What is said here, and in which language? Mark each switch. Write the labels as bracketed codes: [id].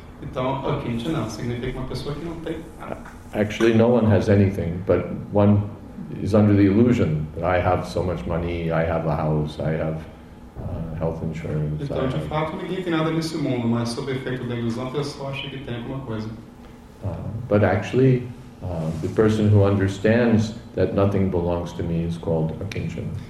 [pt] Então, akinchana significa uma pessoa que não tem nada. [en] Actually, no one has anything, but one is under the illusion that I have so much money, I have a house, I have health insurance. [pt] Então, de fato, ninguém tem nada nesse mundo, mas sob efeito da ilusão, a pessoa acha que tem alguma coisa. [en] But actually, the person who understands that nothing belongs to me is called Akinchana.